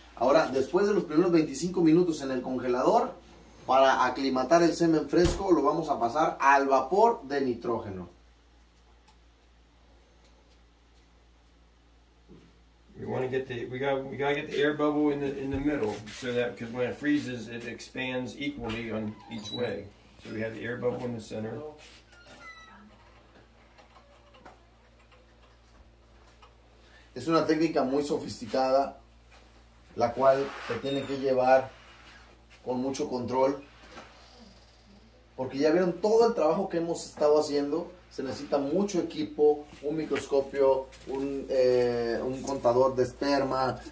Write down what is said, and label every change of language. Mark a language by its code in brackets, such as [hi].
[es] Ahora, después de los primeros 25 minutos en el congelador, para aclimatar el semen fresco, lo vamos a pasar al vapor de nitrógeno. [en] We gotta get the air bubble in the middle, so that because when it freezes, it expands equally on each way. So we have the air bubble in the center. [es] Es una técnica muy sofisticada, la cual se tiene que llevar con mucho control. Porque ya vieron todo el trabajo que hemos estado haciendo. Se necesita mucho equipo, un microscopio, un contador de esperma.